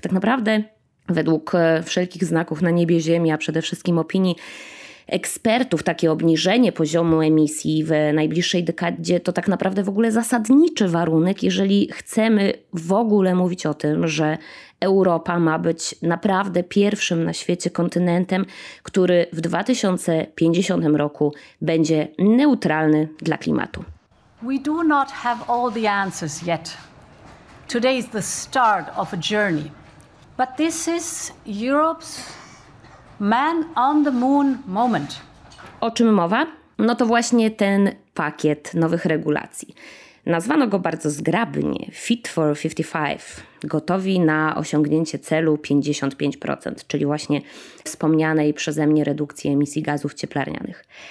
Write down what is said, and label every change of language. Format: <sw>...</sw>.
<pl>Tak naprawdę według wszelkich znaków na niebie Ziemi, a przede wszystkim opinii ekspertów, takie obniżenie poziomu emisji w najbliższej dekadzie to tak naprawdę w ogóle zasadniczy warunek, jeżeli chcemy w ogóle mówić o tym, że Europa ma być naprawdę pierwszym na świecie kontynentem, który w 2050 roku będzie neutralny dla klimatu.</pl> <en>We do not have all the answers yet. Today is the start of a journey. But this is Europe's Man on the Moon moment.</en> <pl>O czym mowa? No to właśnie ten pakiet nowych regulacji. Nazwano go bardzo zgrabnie Fit for 55, gotowi na osiągnięcie celu 55%, czyli właśnie wspomnianej przeze mnie redukcji emisji gazów cieplarnianych.</pl>